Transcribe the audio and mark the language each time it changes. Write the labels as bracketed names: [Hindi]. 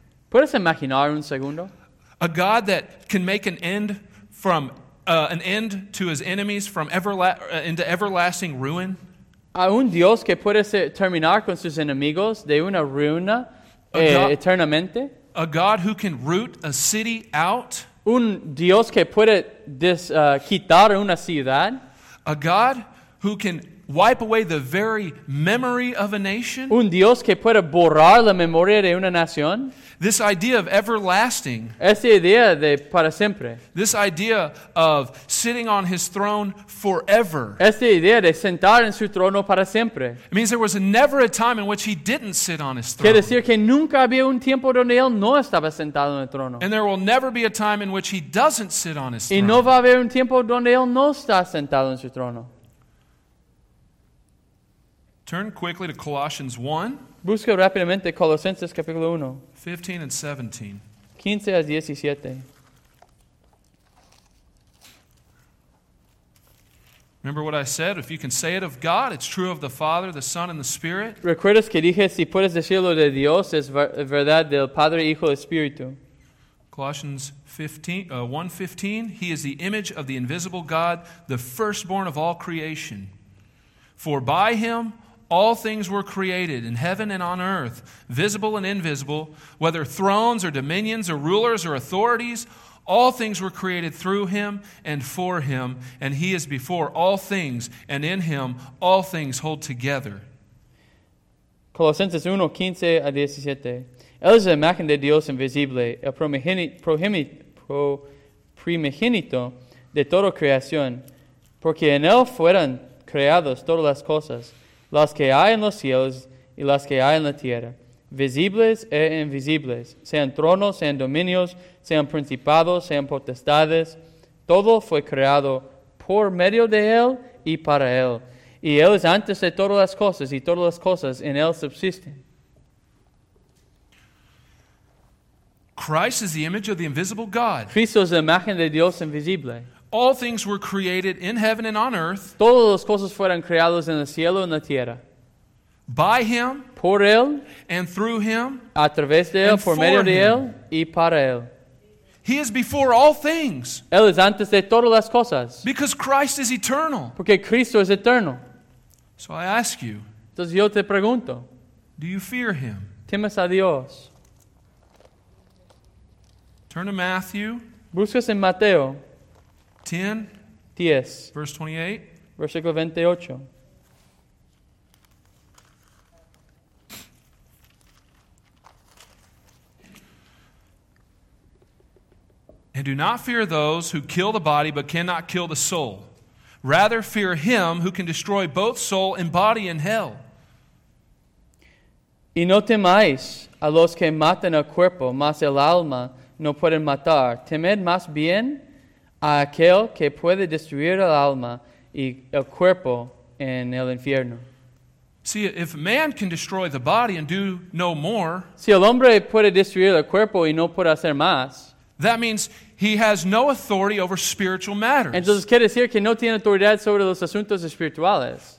[Spanish] ¿Puedes imaginar un segundo? [English] A God that can make an end from an end to his enemies from into everlasting ruin. [Spanish] A un Dios que puede terminar con sus enemigos de una ruina eternamente. [English] A God who can root a city out. [Spanish] Un Dios que puede quitar una ciudad. [English] A God who can wipe away the very memory of a nation? [Spanish] Un Dios que puede borrar la memoria de una nación? [English] This idea of everlasting. [Spanish] Esta idea de para siempre. [English] This idea of sitting on his throne forever. [Spanish] Esta idea de sentar en su trono para siempre. [English] It means there was never a time in which he didn't sit on his throne. [Spanish] Quiere decir que nunca había un tiempo donde él no estaba sentado en el trono. [English] And there will never be a time in which he doesn't sit on his throne. [Spanish] Y no va a haber un tiempo donde él no está sentado en su trono. [English] Turn quickly to Colossians 1. [Spanish] Busca rápidamente Colosenses capítulo 1. [English] 15 and 17. [Spanish] 15 a 17. [English] Remember what I said? If you can say it of God, it's true of the Father, the Son, and the Spirit. [Spanish] ¿Recuerdas que dije, si puedes decirlo de Dios, es verdad del Padre, Hijo, Espíritu? [English] Colossians 1:15. He is the image of the invisible God, the firstborn of all creation. For by him all things were created in heaven and on earth, visible and invisible, whether thrones or dominions or rulers or authorities. All things were created through him and for him, and he is before all things, and in him all things hold together. [Spanish] Colosenses 1, 15 a 17. Él es la imagen de Dios invisible, el primogénito de toda creación, porque en él fueron creadas todas las cosas, las que hay en los cielos y las que hay en la tierra, visibles e invisibles, sean tronos, sean dominios, sean principados, sean potestades, todo fue creado por medio de él y para él. Y él es antes de todas las cosas, y todas las cosas en él subsisten. [English] Christ is the image of the invisible God. [Spanish] Cristo es la imagen de Dios invisible. [English] All things were created in heaven and on earth. [Spanish] Todas las cosas fueron creadas en el cielo y en la tierra. [English] By him. [Spanish] Por él. [English] And through him. [Spanish] A través de él, por medio de él y para él. [English] He is before all things. [Spanish] Él es antes de todas las cosas. [English] Because Christ is eternal. [Spanish] Porque Cristo es eterno. [English] So I ask you. [Spanish] Entonces yo te pregunto. [English] Do you fear him? [Spanish] ¿Temes a Dios? [English] Turn to Matthew. [Spanish] Buscas en Mateo. 10, 10, [English] verse 28, [Spanish] versículo 28. [English] And do not fear those who kill the body but cannot kill the soul. Rather fear him who can destroy both soul and body in hell. [Spanish] Y no temáis a los que matan el cuerpo, mas el alma no pueden matar. Temed más bien a aquel que puede destruir el alma y el cuerpo en el infierno. [English] See, if man can destroy the body and do no more, [Spanish] si el hombre puede destruir el cuerpo y no puede hacer más, [English] that means he has no authority over spiritual matters. [Spanish] Entonces quiere decir que no tiene autoridad sobre los asuntos espirituales.